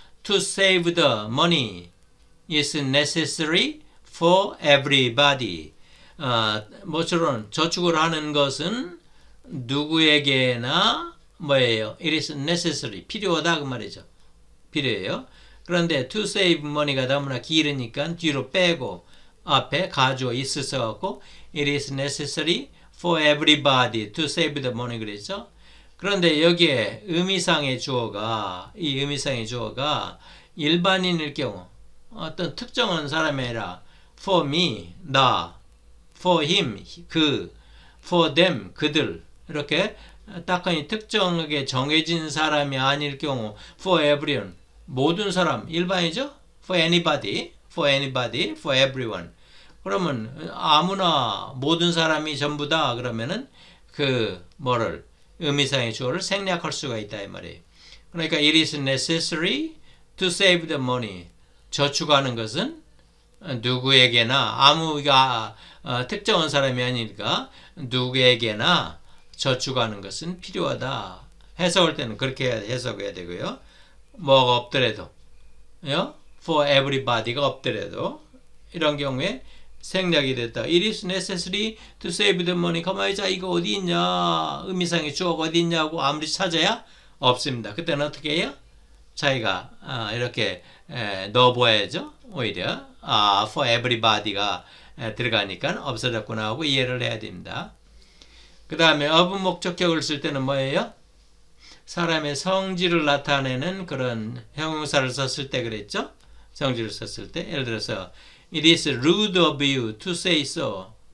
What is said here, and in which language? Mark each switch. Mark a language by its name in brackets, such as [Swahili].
[English] To save the money is necessary for everybody. [Korean] 뭐처럼 저축을 하는 것은 누구에게나 뭐예요? [English] It is necessary. [Korean] 필요하다 그 말이죠. 필요해요. 그런데 to save money가 너무나 길으니까 뒤로 빼고 앞에 가져와 있어서 갖고 [English] It is necessary for everybody to save the money [Korean] 그랬죠. 그런데 여기에 의미상의 주어가 이 의미상의 주어가 일반인일 경우 어떤 특정한 사람이라 for me 나 for him 그 for them 그들 이렇게 딱하니 특정하게 정해진 사람이 아닐 경우 for everyone 모든 사람 일반이죠. [English] For anybody for everyone. [Korean] 그러면 아무나 모든 사람이 전부다 그러면은 그 뭐를 의미상의 주어를 생략할 수가 있다 이 말이에요. 그러니까 [English] it is necessary to save the money. [Korean] 저축하는 것은 누구에게나 아무가 특정한 사람이 아니니까 누구에게나 저축하는 것은 필요하다. 해석할 때는 그렇게 해석해야 되고요. 뭐가 없더라도, for everybody가 없더라도 이런 경우에 생략이 됐다. [English] It is necessary to save the money. [Korean] 가만히 자, 이거 어디 있냐? 의미상의 주어가 어디 있냐고 아무리 찾아야 없습니다. 그때는 어떻게 해요? 자기가 이렇게 넣어봐야죠. 오히려 for everybody가 들어가니까 없어졌구나 하고 이해를 해야 됩니다. 그 다음에 of 목적격을 쓸 때는 뭐예요? 사람의 성질을 나타내는 그런 형용사를 썼을 때 그랬죠? 성질을 썼을 때. 예를 들어서, [English] It is rude of you to say so.